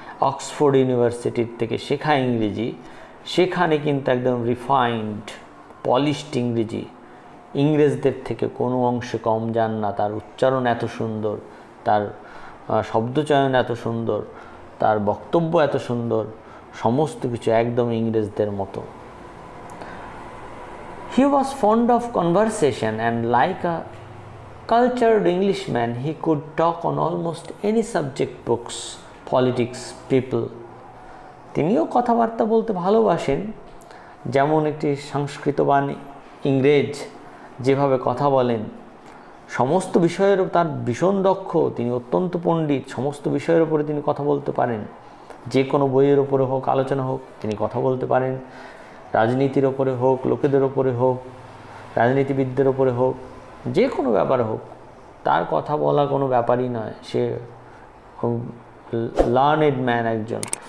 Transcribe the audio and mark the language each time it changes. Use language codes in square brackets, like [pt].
[bn] Oxford ইউনিভার্সিটির থেকে শেখা ইংরেজি, সেখানে কিন্তু একদম রিফাইন্ড পলিশড ইংরেজি, ইংরেজদের থেকে কোনো অংশে কম যান না, তার উচ্চারণ এত সুন্দর, তার শব্দচয়ন এত সুন্দর, তার বক্তব্য এত সুন্দর, সমস্ত কিছু একদম ইংরেজদের মতো। [en] He was fond of conversation, and like a cultured Englishman, he could talk on almost any subject: books, politics, people. [bn] তিনিও কথাবার্তা বলতে ভালোবাসেন, যেমন একটি সংস্কৃতবান ইংরেজ যেভাবে কথা বলেন, সমস্ত বিষয়ের তার ভীষণ দক্ষ, তিনি অত্যন্ত পণ্ডিত, সমস্ত বিষয়ের উপরে তিনি কথা বলতে পারেন, যে কোনো বইয়ের উপরে হোক, আলোচনা হোক, তিনি কথা বলতে পারেন, রাজনীতির ওপরে হোক, লোকেদের ওপরে হোক, রাজনীতিবিদদের ওপরে হোক, যে কোনো ব্যাপার হোক, তার কথা বলা কোনো ব্যাপারই নয়, সে খুব লার্নেড ম্যান একজন।